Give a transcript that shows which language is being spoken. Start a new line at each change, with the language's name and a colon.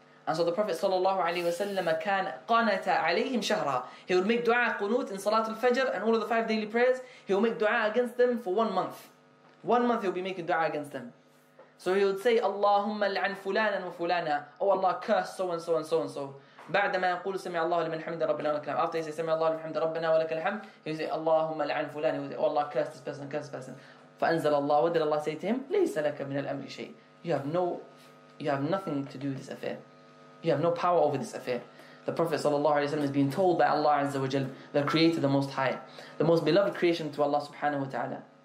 English: And so the Prophet sallallahu alaihi wasallam
Arabic: كان قانتا عليهم شهرا.
English: He would make dua qunut in Salat al-Fajr and all of the five daily prayers. He would make dua against them for 1 month. 1 month he would be making dua against them. So he would say,
Arabic: Allahumma al'an fulana wa fulana.
English: Oh Allah, curse so and so and so and so.
Arabic: بعدما يقول سمع الله لمن حمد ربنا ولك الحمد.
English: After he says
Arabic: سمع الله لمن حمد ربنا ولك الحمد,
English: he would say
Arabic: اللهم لعن فلان.
English: He would say, oh Allah, curse this person, curse this person.
Arabic: فأنزل الله,
English: what did Allah say to him?
Arabic: ليس لك من الأمر شيء.
English: You have nothing to do with this affair. You have no power over this affair. The Prophet sallallahu alaihi wasallam is being told by Allah Azza wa Jal, the Creator, the Most High, the most beloved creation to Allah subhanahu wa ta'ala.